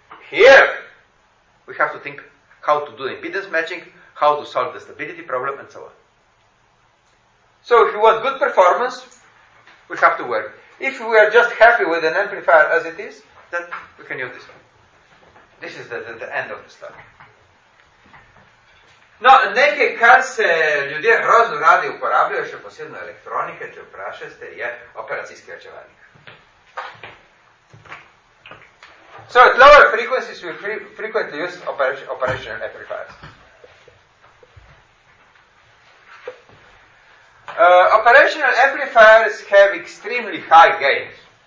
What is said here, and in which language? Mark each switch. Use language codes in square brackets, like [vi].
[en] Here, we have to think how to do the impedance matching, how to solve the stability problem, and so on. So, if you want good performance, we have to work. If we are just happy with an amplifier as it is, then we can use this one. This is the end of the story. [sl] No, nekaj, kar se ljudje hrozno radi uporabljajo, še posebno elektronike, če vprašate, je operacijski ojačevalnik. [en] So, at lower frequencies, we frequently use operational amplifiers. Operational amplifiers have extremely high gains.